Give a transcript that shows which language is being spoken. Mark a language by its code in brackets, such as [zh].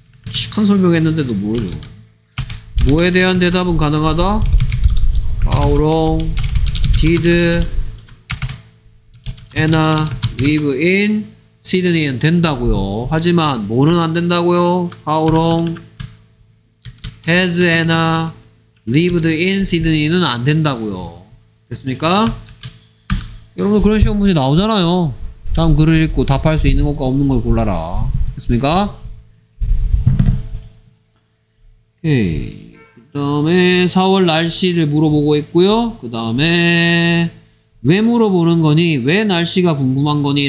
[ko] 시간 설명했는데도 모르죠. 뭐에 대한 대답은 가능하다? [en] How long did Anna live in Sydney는 [ko] 된다고요. 하지만 뭐는 안 된다고요? [en] How long has Anna lived in Sydney는 [ko] 안 된다고요. 됐습니까? 여러분들 그런 시험 문제 나오잖아요. 다음 글을 읽고 답할 수 있는 것과 없는 걸 골라라. 됐습니까? 오케이. 그 다음에 4월 날씨를 물어보고 있고요. 그 다음에 왜 물어보는 거니? 왜 날씨가 궁금한 거니?